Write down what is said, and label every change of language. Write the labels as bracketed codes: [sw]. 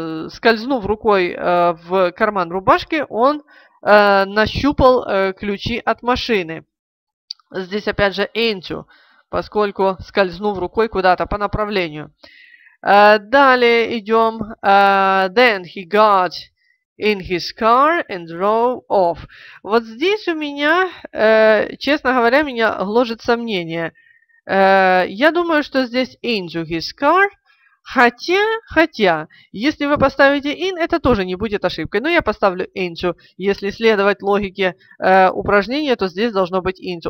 [ru] Скользнув рукой в карман рубашки, он нащупал ключи от машины. Здесь опять же into, поскольку скользнув рукой куда-то по направлению. Далее идем. [en] Then he got in his car and drove off. [ru] Вот здесь у меня, честно говоря, меня гложет сомнение. Я думаю, что здесь [en] into his car. [ru] Хотя, если вы поставите in, это тоже не будет ошибкой. Но я поставлю into. Если следовать логике упражнения, то здесь должно быть into.